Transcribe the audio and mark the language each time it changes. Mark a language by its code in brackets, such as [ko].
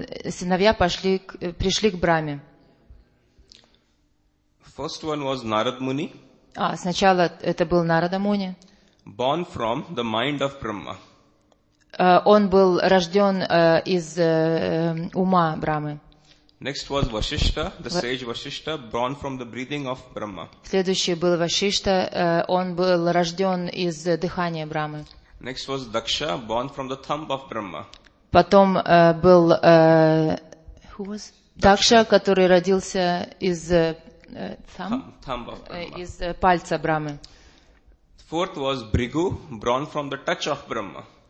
[ru] Сыновья пошли, пришли к Брахме. [en] First one was Narad Muni. [ru] А, сначала это был Нарада Муни. [en] Born from the mind of Brahma. [ru] Он был рожден из ума Брахмы. [en] Next was Vasishta, the sage Vasishta, born from the breathing of Brahma. [ru] Следующий был Вашишта, он был рожден из дыхания Брахмы. [en] Next was Daksha, born from the thumb of Brahma. [ru] Потом был Дакша, который родился из из пальца Брахмы. [en] Fourth was Bhrigu, born from the touch of Brahma.